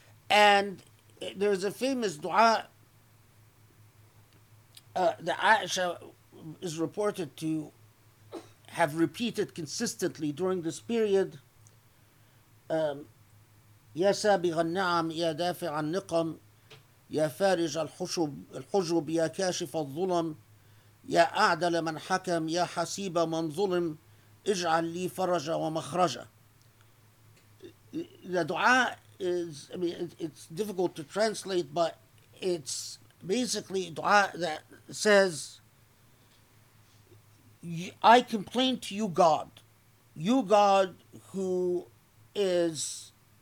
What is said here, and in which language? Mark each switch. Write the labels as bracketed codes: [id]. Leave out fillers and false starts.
[en] And there's a famous dua that Aisha is reported to have repeated consistently during this period. [ar] Ya sabi ghan na'am, ya dafi an niqam, يا فارج الحجب يا كاشف الظلم يا أعدل من حكم يا حسيب من ظلم اجعل لي فرجا ومخرجا. [en] The dua is, I mean, it's difficult to translate, but it's basically a dua that says, I complain to you, God, who is